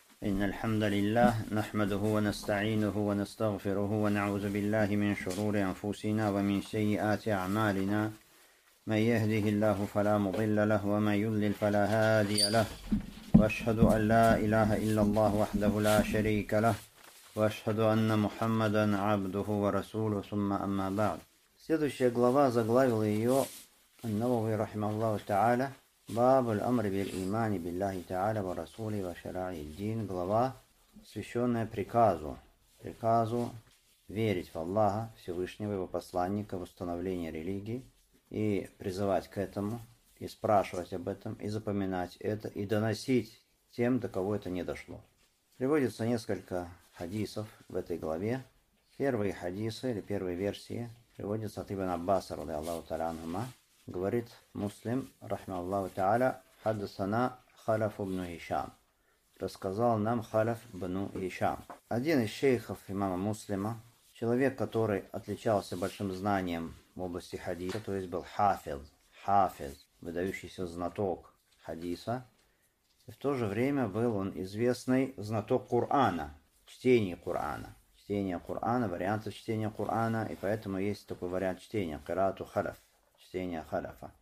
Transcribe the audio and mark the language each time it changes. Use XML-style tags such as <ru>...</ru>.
<ar>إن الحمد لله نحمده ونستعينه ونستغفره ونعوذ بالله من شرور أنفسنا ومن سيئات أعمالنا، من يهده الله فلا مضل له ومن يضلل فلا هادي له، وأشهد أن لا إله إلا الله وحده لا شريك له، وأشهد أن محمدا عبده ورسوله. ثم أما بعد،</ar> <ru>следующая глава заглавила ее النووي رحمه الله تعالى</ru> <ar>باب الأمر بالإيمان بالله تعالى ورسوله وشرع الدين،</ar> <ru>глава, посвященная приказу, приказу верить в Аллаха Всевышнего, его посланника, в установление религии и призывать к этому, и спрашивать об этом, и запоминать это, и доносить тем, до кого это не дошло. Приводится несколько хадисов в этой главе. Первые хадисы или первые версии приводятся от Ибн Аббаса,</ru> <ar>رضي الله تعالى عنه.</ar> <ru>Говорит Муслим,</ru> <ar>رحمه الله تعالى, حدثنا خلف بن هشام.</ar> <ru>Рассказал нам Халаф бин Хишам. Один из шейхов имама Муслима, человек, который отличался большим знанием в области хадиса, то есть был хафиз, выдающийся знаток хадиса. И в то же время был он известный знаток Кур'ана, чтения Кур'ана, вариантов чтения Кур'ана, и поэтому есть такой вариант чтения, Кирату Халаф, чтение Халафа.</ru>